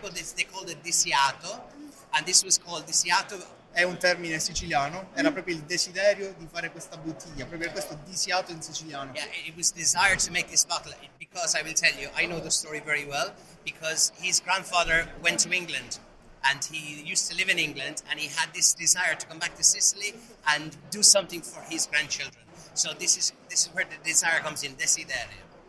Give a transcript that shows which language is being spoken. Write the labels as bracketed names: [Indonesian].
[English] but they called it Desiato, and this was called Desiato. [Italian] È un termine siciliano, era proprio il desiderio di fare questa bottiglia, proprio questo Desiato in siciliano. [English] Yeah, it was desire to make this bottle, because I will tell you, I know the story very well, because his grandfather went to England, and he used to live in England, and he had this desire to come back to Sicily and do something for his grandchildren. So this is where the desire comes in, Desiderio.